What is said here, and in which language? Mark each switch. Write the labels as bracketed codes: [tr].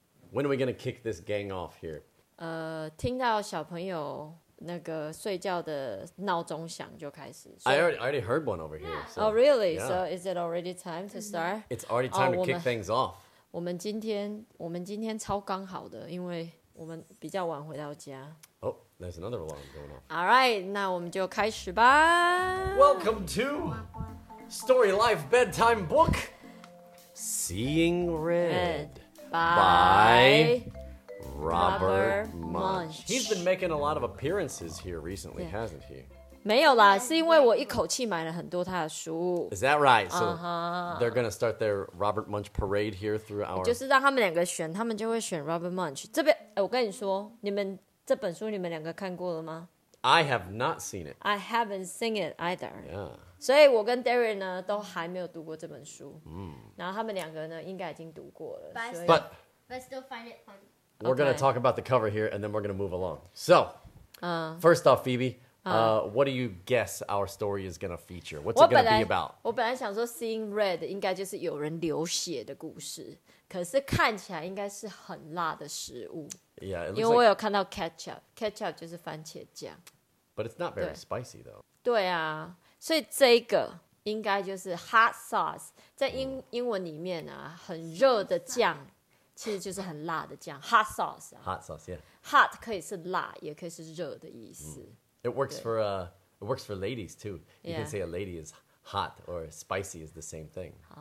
[en] When are we going to kick this gang off here? [zh] 听到小朋友那个睡觉的闹钟响就开始。 [en] I already heard one over here. So, oh, really? Yeah. So is it already time to start? It's already time to kick things off. [zh] 我们今天超刚好的，因为我们比较晚回到家。 [en] Oh, there's another alarm going off. All right, [zh] 那我们就开始吧。 [en] Welcome to Story Life Bedtime Book, Seeing Red. By Robert Munsch. He's been making a lot of appearances here recently, yeah. hasn't he? [zh] 没有啦，是因为我一口气买了很多他的书。 [en] Is that right? So they're going to start their Robert Munsch parade here through our... [zh] 就是让他们两个选，他们就会选 Robert Munsch. 这边，我跟你说，你们这本书你们两个看过了吗？ [en] I have not seen it. I haven't seen it either. Yeah. [zh] 所以我跟 Darren 呢都还没有读过这本书、嗯、然后他们两个呢应该已经读过了 [en] but still find it fun. We're、okay. going to talk about the cover here and then we're going to move along. So,、first off, Phoebe,、what do you guess our story is going to feature? What's it going to be about? [zh] 我本来想说 Seeing Red 应该就是有人流血的故事可是看起来应该是很辣的食物 [en] yeah, [zh] 因为我有看到 ketchup, ketchup 就是番茄酱 [en] But it's not very spicy though. [zh] 对啊所以这个应该就是 hot sauce 在 英文里面啊很热的酱其实就是很辣的酱 hot sauce、啊、 [en] hot sauce yeah [zh] hot 可以是辣也可以是热的意思、 mm. [en] it works for ladies too you、yeah. can say a lady is hot or spicy is the same thing